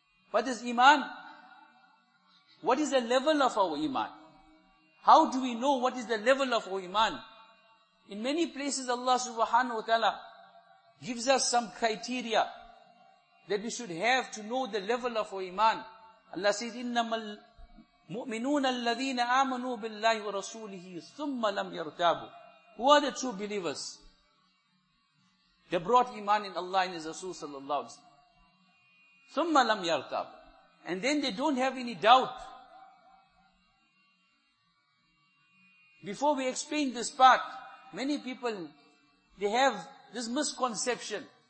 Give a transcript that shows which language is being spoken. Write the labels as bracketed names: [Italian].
[English] What is Iman? What is the level of our Iman? How do we know what is the level of our Iman? In many places Allah subhanahu wa ta'ala gives us some criteria that we should have to know the level of our Iman. [Arabic] Allah says, إِنَّمَا الْمُؤْمِنُونَ الَّذِينَ آمَنُوا بِاللَّهِ وَرَسُولِهِ ثُمَّ لَمْ يَرْتَابُوا. [English] Who are the true believers? They brought Iman in Allah and His Rasul sallallahu alayhi wa sallam. [Arabic] ثُمَّ لَمْ يَرْتَابُوا. [English] And then they don't have any doubt. Before we explain this part, many people, they have this misconception.